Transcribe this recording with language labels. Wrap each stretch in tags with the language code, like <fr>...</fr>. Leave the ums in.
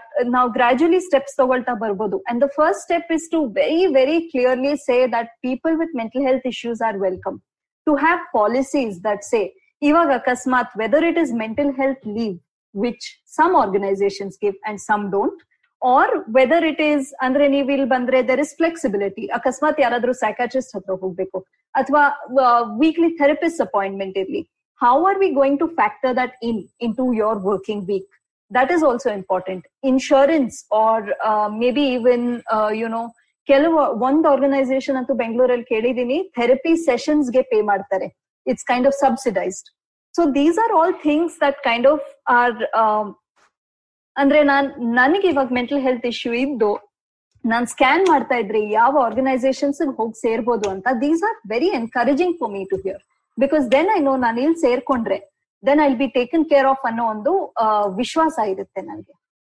<kn>ನಾವು ಗ್ರಾಜ್ಯುಲಿ ಸ್ಟೆಪ್ಸ್ ತಗೊಳ್ತಾ ಬರ್ಬೋದು</kn> <en>and the first step is to very very clearly say that people with mental health issues are welcome to have policies that say ಇವಾಗ ಅಕಸ್ಮಾತ್ whether it is mental health leave which some organizations give and some don't or whether it is</en> <kn>andre ni will bandre</kn> <en>there is flexibility</en> <kn>akasmat yaradru psychiatrist hatra hogbeko athwa</kn> <en>weekly therapist appointment daily. how are we going to factor that in into your working week that is also important insurance or uh, maybe even uh, you know</en> <kn>ಕೆಲವು ಒಂದ್ organisation ಅಂತೂ ಬೆಂಗಳೂರಲ್ಲಿ ಕೇಳಿದೀನಿ therapy ಸೆಷನ್ಸ್ಗೆ pay ಮಾಡ್ತಾರೆ</kn> <en>It's kind of subsidized. So these are all things that kind of are</en> <kn>ಅಂದ್ರೆ ನಾನ್ ನನಗೆ ಇವಾಗ ಮೆಂಟಲ್ ಹೆಲ್ತ್ ಇಶ್ಯೂ ಇದ್ದು ನಾನ್ ಸ್ಕ್ಯಾನ್ ಮಾಡ್ತಾ ಇದ್ರೆ ಯಾವ ಆರ್ಗನೈಸೇಷನ್ಸ್ ಹೋಗಿ ಸೇರ್ಬೋದು ಅಂತ</kn> <en>these are very encouraging for me to hear because then I know</en> <kn>ನಾನು ಇಲ್ಲಿ ಸೇರ್ಕೊಂಡ್ರೆ</kn> <en>then I be taken care of</en> <kn>ಅನ್ನೋ ಒಂದು ವಿಶ್ವಾಸ ಇರುತ್ತೆ ನನಗೆ</kn>